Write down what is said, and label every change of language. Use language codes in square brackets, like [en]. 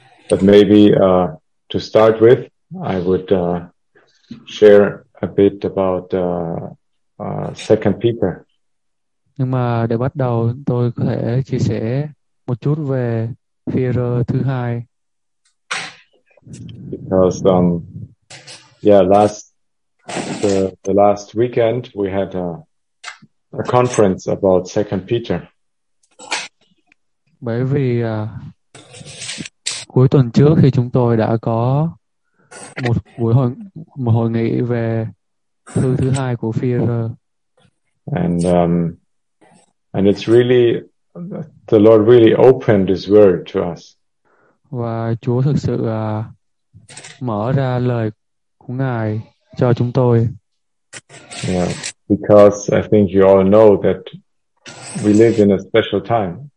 [en] But maybe to start with, I would share a bit about Second Peter. [vi] Nhưng mà để bắt đầu, tôi có thể chia sẻ một chút về Phi-e-rơ thứ hai. [en] Because last weekend we had a conference about Second Peter. [vi] Bởi vì cuối tuần trước thì chúng tôi đã có một hội nghị về thư thứ hai của Phi-e-rơ. [en] And it's really the Lord really opened His Word to us. [vi] Và Chúa thực sự mở ra lời của Ngài cho chúng tôi. [en] Yeah, because I think you all know that we live in a special time.